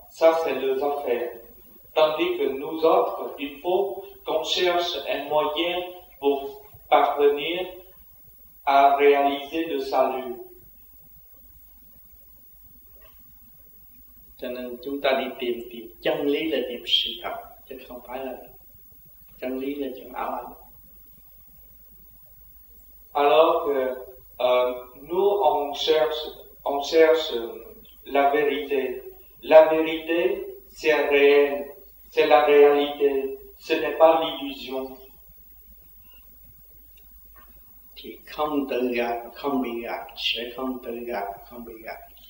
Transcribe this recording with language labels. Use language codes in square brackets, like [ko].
[fr] Ça, c'est leurs affaires. Tandis que nous autres, il faut qu'on cherche un moyen pour parvenir à réaliser le salut. [vi] Cho nên chúng ta đi tìm, tìm chân lý là tìm sự thật, chứ không phải là chân lý là chân ảo ảnh. [fr] Alors que nous on cherche la vérité. La vérité c'est réel, c'est la réalité, ce n'est pas l'illusion. [vi] Thì không tự gạt, không bị gạt, sẽ không tự gạt, không bị gạt.